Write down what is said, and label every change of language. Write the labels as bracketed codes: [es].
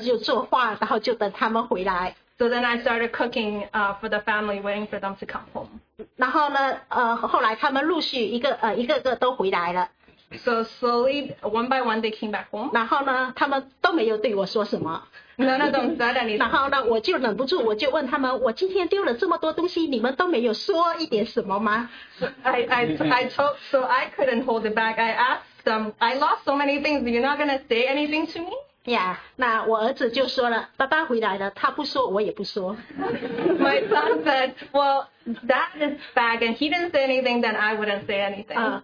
[zh] 然后呢，我就为我们家人们就做饭，然后就等他们回来。 [en] So then I started cooking for the family, waiting for them to come home. [zh] 然后呢，后来他们陆续一个一个个都回来了。So [en] slowly, one by one, they came back home. [zh] 然后呢，他们都没有对我说什么。None [en] of them said anything. [zh] 然后呢，我就忍不住，我就问他们，我今天丢了这么多东西，你们都没有说一点什么吗？ [en] So I couldn't hold it back. I asked them, I lost so many things. You're not gonna say anything to me? [zh] Yeah, 那我儿子就说了，爸爸回来了，他不说我也不说。 [en] My son said, well, that is bad, and he didn't say anything, then I wouldn't say anything.